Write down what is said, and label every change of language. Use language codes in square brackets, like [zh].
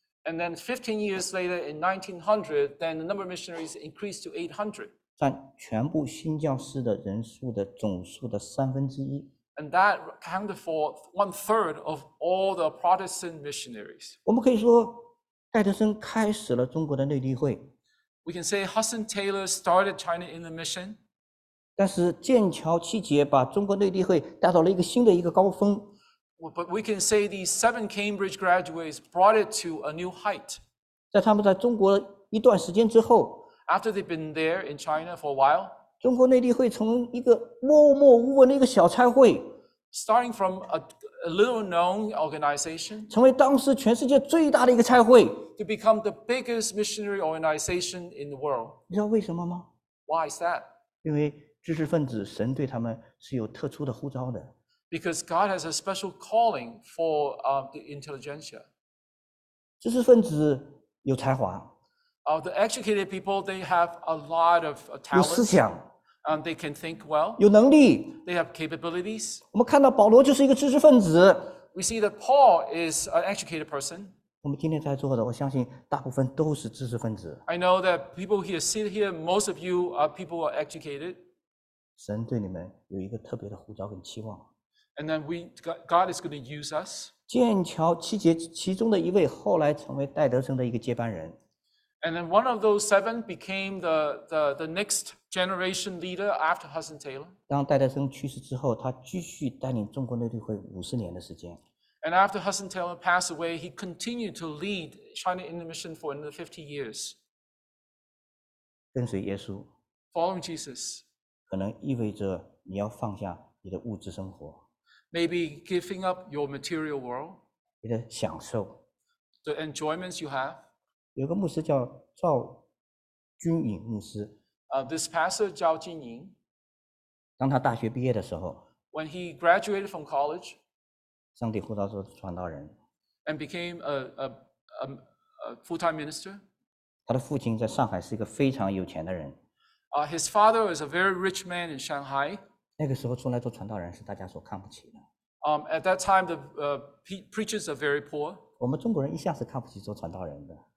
[en] And then 15 years later, in 1900, then the number of missionaries increased to 800. [zh] 占全部新教士的人数的总数的三分之一。 [en] And that accounted for one third of all the Protestant missionaries. [zh] 我们可以说，戴德生开始了中国的内地会。 [en] We can say Hudson Taylor started China Inland Mission. [zh] 但是剑桥七杰把中国内地会带到了一个新的一个高峰。 [en] But we can say these seven Cambridge graduates brought it to a new height. [zh] 在他们在中国一段时间之后。 [en] After they've been there in China for a while, [zh] 中国内地会从一个默默无闻的一个小参会 [en] ，starting from a little known organization, [zh] 成为当时全世界最大的一个参会 [en] ，to become the biggest missionary organization in the world. [zh] 你知道为什么吗 [en] ？Why is that? [zh] 因为知识分子神对他们是有特殊的呼召的。 [en] Because God has a special calling for the intelligentsia. [zh] 知识分子有才华。 [en] The educated people, they have a lot of talent. [zh] 有思想。 [en] They can think well. [zh] 有能力。 [en] They have capabilities. [zh] 我们看到保罗就是一个知识分子。 [en] We see that Paul is an educated person. [zh] 我们今天在座的，我相信大部分都是知识分子。 [en] I know that people here, sit here, most of you are people who are educated. [zh] 神对你们有一个特别的呼召跟期望。 [en] And then God is going to use us. [zh] 剑桥七杰其中的一位后来成为戴德生的一个接班人。 [en] And then one of those seven became the next generation leader after Hudson Taylor. [zh] 当戴德生去世之后，他继续带领中国内地会50年的时间。 [en] And after Hudson Taylor passed away, he continued to lead China Inland Mission for another 50 years. [zh] 跟随耶稣。 [en] Following Jesus. [zh] 可能意味着你要放下你的物质生活。 [en] Maybe giving up your material world. [zh] 你的享受。 [en] The enjoyments you have. [zh] 有个牧师叫赵君颖牧师。 [en] This pastor 赵君颖。 [zh] 当他大学毕业的时候 [en] ，When he graduated from college， [zh] 上帝呼召做传道人 [en] ，And became a full-time minister。 [zh] 他的父亲在上海是一个非常有钱的人。 [en] His father was a very rich man in Shanghai. [zh] 那个时候出来做传道人是大家所看不起的。 [en] At that time, the preachers are very poor. [zh] 我们中国人一向是看不起做传道人的。